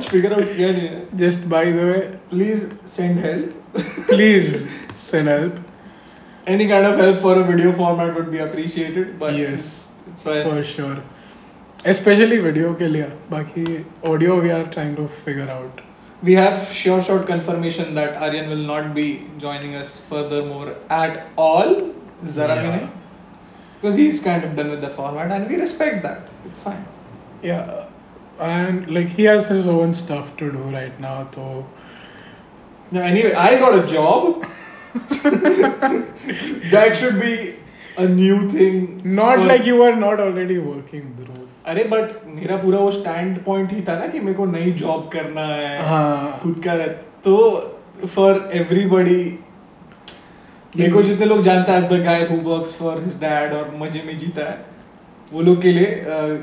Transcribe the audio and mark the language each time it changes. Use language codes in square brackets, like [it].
[hi] कुछ figure out किया नहीं है [en] just by the way please send help any kind of help for a video format would be appreciated but yes for sure especially video [hi] के लिए बाकी [en] Audio we are trying to figure out We have sure shot confirmation that Aryan will not be joining us furthermore at all. Zara yeah. Because he's kind of done with the format and we respect that. It's fine. Yeah. And like he has his own stuff to do right now. So. Yeah, anyway, I got a job. That should be a new thing. Not like you are not already working, Dhruv. [hi] अरे but मेरा पूरा वो stand point ही था ना कि मेरे को नई जॉब करना है खुद का रहे तो [en] for everybody [hi] मेरे को जितने लोग जानते हैं [en] as the guy who works for his dad [hi] और मजे में जीता है वो लोग के लिए